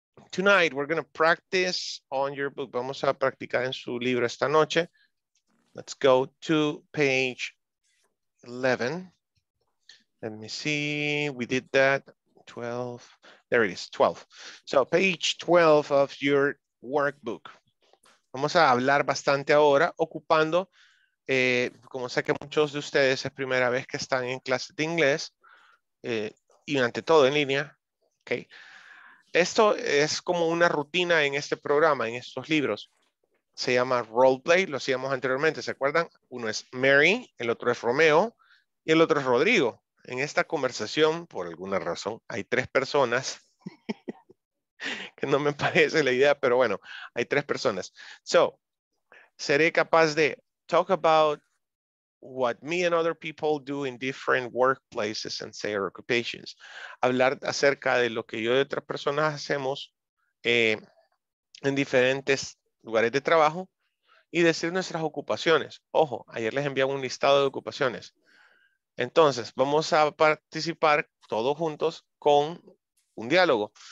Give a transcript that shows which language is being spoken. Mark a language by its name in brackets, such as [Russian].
[English] Tonight, we're going to practice on your book. [Spanish] Vamos a practicar en su libro esta noche. [English] Let's go to page 11. Let me see. We did that. 12. There it is. 12. So page 12 of your workbook. [Spanish] Vamos a hablar bastante ahora, ocupando, como sé que muchos de ustedes es primera vez que están en clase de inglés, y ante todo en línea. Okay. Esto es como una rutina en este programa, en estos libros. Se llama Roleplay, lo hacíamos anteriormente, ¿se acuerdan? Uno es Mary, el otro es Romeo y el otro es Rodrigo. En esta conversación, por alguna razón, hay tres personas que no me parece la idea, pero bueno, hay tres personas. [English] So, [Spanish] seré capaz de [English] talk about what me and other people do in different workplaces and say our occupations. [Spanish] Hablar acerca de lo que yo y otras personas hacemos en diferentes lugares de trabajo y decir nuestras ocupaciones. Ojo, ayer les envié un listado de ocupaciones. Entonces, vamos a participar todos juntos con un diálogo.